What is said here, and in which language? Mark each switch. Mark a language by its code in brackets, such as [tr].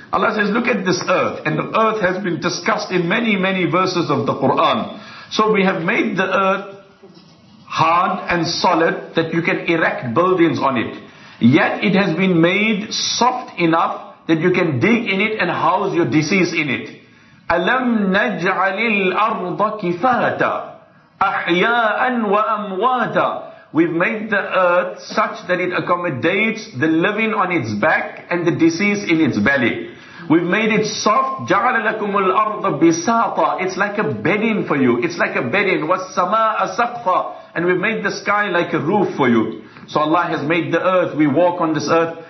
[en] Allah says, look at this earth, and the earth has been discussed in many, many verses of the Quran. So we have made the earth hard and solid that you can erect buildings on it. Yet it has been made soft enough that you can dig in it and house your deceased in it. [ar] أَلَمْ نَجْعَلِ الْأَرْضَ كِفَاتًا أَحْيَاءً وَأَمْوَاتًا. [en] We've made the earth such that it accommodates the living on its back and the deceased in its belly. We've made it soft. [ar] جَعَلَ لَكُمُ الْأَرْضَ بِسَاطًا. [en] It's like a bedding for you. It's like a bedding. [ar] وَالسَّمَاءَ سَقْفًا. [en] And we've made the sky like a roof for you. So Allah has made the earth, we walk on this earth.